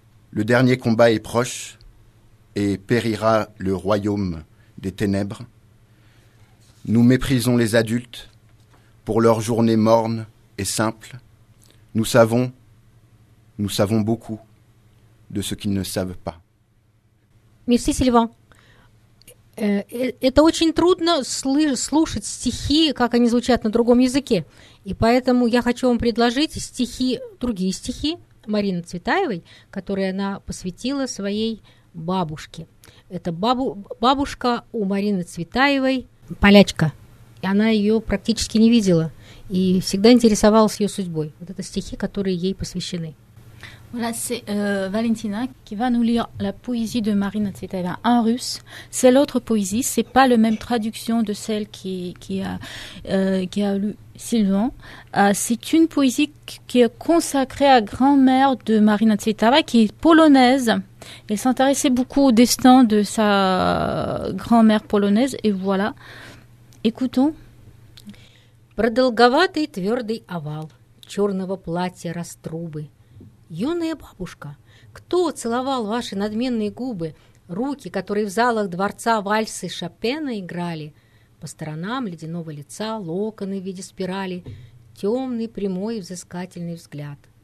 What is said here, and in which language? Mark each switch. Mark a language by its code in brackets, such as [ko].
[fr] Le dernier combat est proche et périra le royaume des ténèbres. Nous méprisons les adultes pour leur journée morne et simple. Nous savons beaucoup de ce qu'ils ne savent pas. Merci, Sylvain. [ru] Это очень трудно слушать стихи, как они звучат на другом языке. И поэтому я хочу вам предложить стихи, другие стихи Марины Цветаевой, которые она посвятила своей бабушке. Это бабушка у Марины Цветаевой, полячка. И она ее практически не видела. И всегда интересовалась ее судьбой. Вот это стихи, которые ей посвящены. [fr] Voilà, c'est Valentina qui va nous lire la poésie de Marina Tsvetaeva en russe. C'est l'autre poésie, c'est pas la même traduction de celle qui a lu Sylvain. C'est une poésie qui est consacrée à grand-mère de Marina Tsvetaeva, qui est polonaise. Elle s'intéressait beaucoup au destin de sa grand-mère polonaise, et voilà. Écoutons. [ru] Продолговатый твердый овал черного платья раструбы. Юная бабушка, кто целовал ваши надменные губы, руки, которые в залах дворца вальсы Шопена играли? По сторонам ледяного лица локоны в виде спирали, темный, прямой, взыскательный взгляд.